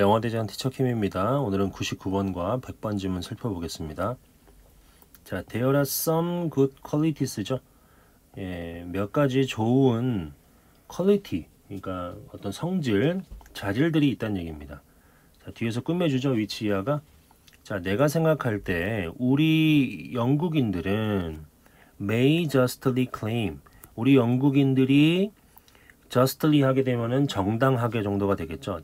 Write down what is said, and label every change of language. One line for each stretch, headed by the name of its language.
Korean: 영어대장 티처캠입니다. 오늘은 99번과 100번 지문 살펴보겠습니다.
English: 자, There are some good qualities죠.
Korean: 예, 몇 가지 좋은 quality, 그러니까 어떤 성질, 자질들이 있다는 얘기입니다. 자, 뒤에서 꾸며주죠. 위치 이하가. 자, 내가 생각할 때 우리 영국인들은
English: may justly claim,
Korean: 우리 영국인들이 justly 하게 되면은 정당하게 정도가 되겠죠.